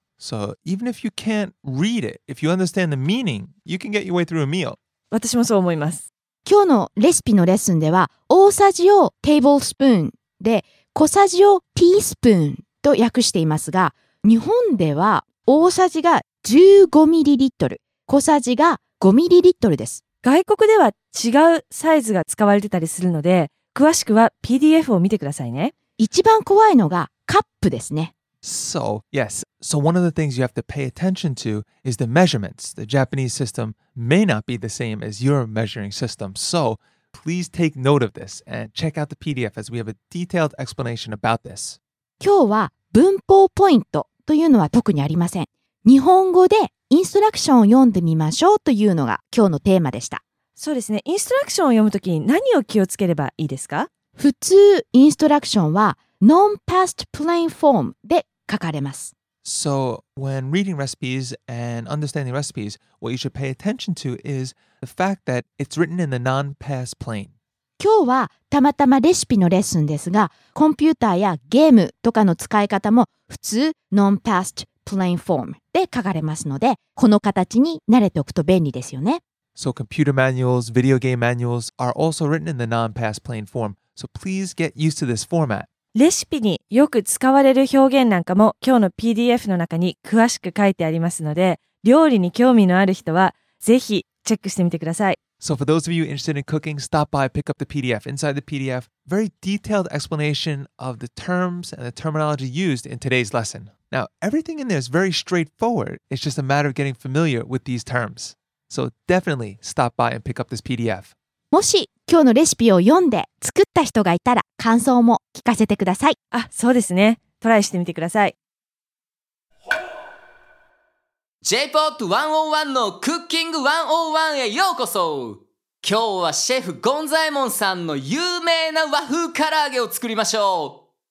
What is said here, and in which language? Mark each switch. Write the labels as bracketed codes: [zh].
[en] So even if you can't read it, if you understand the meaning, you can get your way through a meal. [ja] 私もそう思います。今日のレシピのレッスンでは、大さじをテーブルスプーンで、小さじをティースプーンと訳していますが、日本では大さじが15ミリリットル、小さじが5ミリリットルです。外国では違うサイズが使われてたりするので、詳しくは PDF を見てくださいね。一番怖いのがカップですね。 [en] So, yes. So one of the things you have to pay attention to is the measurements. The Japanese system may not be the same as your measuring system. So, please take note of this and check out the PDF as we have a detailed explanation about this. [ja] 今日は文法ポイントというのは特にありません。日本語でインストラクションを読んでみましょうというのが今日のテーマでした。そうですね。インストラクションを読むときに何を気をつければいいですか? 普通、インストラクションは [en] Non-past plain form [ja] で書かれます。 [en] So, when reading recipes and understanding recipes, what you should pay attention to is the fact that it's written in the non-past plain. [ja] 今日はたまたまレシピのレッスンですが、コンピューターやゲームとかの使い方も普通 [en] non-past plain form [ja] で書かれますので、この形に慣れておくと便利ですよね。 [en] So, computer manuals, video game manuals are also written in the non-past plain form. So, please get used to this format. [ja] レシピによく使われる表現なんかも今日の PDF の中に詳しく書いてありますので、料理に興味のある人はぜひチェックしてみてください。 [en] So for those of you interested in cooking, stop by, pick up the PDF. Inside the PDF, very detailed explanation of the terms and the terminology used in today's lesson. Now, everything in there is very straightforward. It's just a matter of getting familiar with these terms. So definitely stop by and pick up this PDF. [ja] もし今日のレシピを読んで作った人がいたら感想も聞かせてください。あ、そうですね。トライしてみてください。 J-POT 101のクッキング101へようこそ。今日はシェフゴンザエモンさんの有名な和風唐揚げを作りましょう。